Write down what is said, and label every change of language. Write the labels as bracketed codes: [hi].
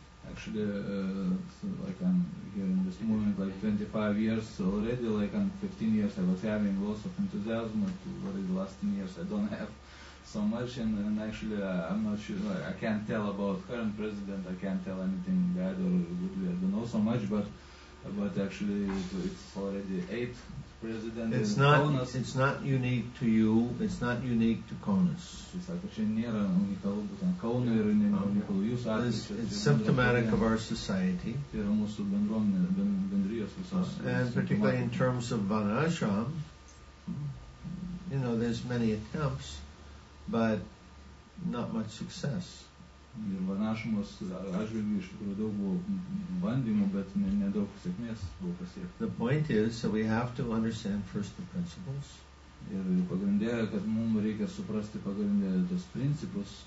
[en] Actually, so like I'm here in this moment, like 25 years already, like I'm 15 years, I was having lots of enthusiasm, but what is the last 10 years, I don't have so much, and actually I'm not sure, like, I can't tell about current president, I can't tell anything either, I don't know so much, but actually it's already 8th president. It's not Kaunas. It's not unique to you, it's not unique to Kaunas. It's like a [lt] nėra unikalu būtent Kaunui ir nėra unikalu jūsų atveju. [en] It's symptomatic of our society. [lt] Tai yra mūsų bendruomenė, bendrijos visos. [en] And particularly in terms of Vanashram, you know, there's many attempts, but not much success. [lt] Ir Vanašumas atžvilgiu iš tikrųjų daug buvo bandymų, bet nedaug sėkmės buvo pasiekta. [en] The point is that we have to understand first the principles. [lt] Ir pagrindė, kad mums reikia suprasti pagrindė tos principus.